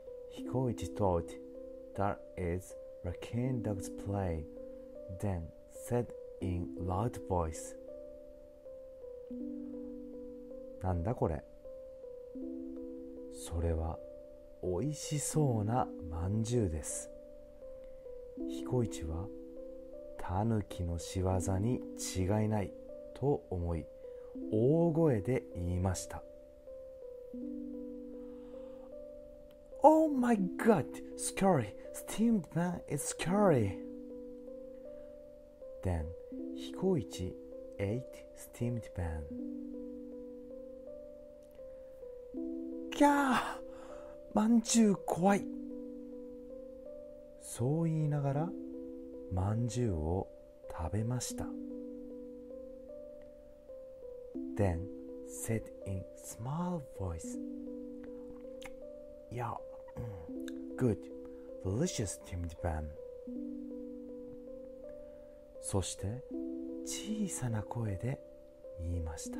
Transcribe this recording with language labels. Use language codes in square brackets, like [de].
[en] 彦一 thought that is raccoon dog's play, then said in loud voice. [ja] なんだこれ? それは美味しそうな饅頭です。彦一はたぬきの仕業に違いないと思い、大声で言いました。 [en] Oh my god, scary! Steamed bun is scary! Then 彦一 ate steamed bun. [ja] いやー、まんじゅう怖い。そう言いながら、まんじゅうを食べました。 [en] Then said in small voice, "Yeah, good, delicious steamed bun." [ja] そして小さな声で言いました。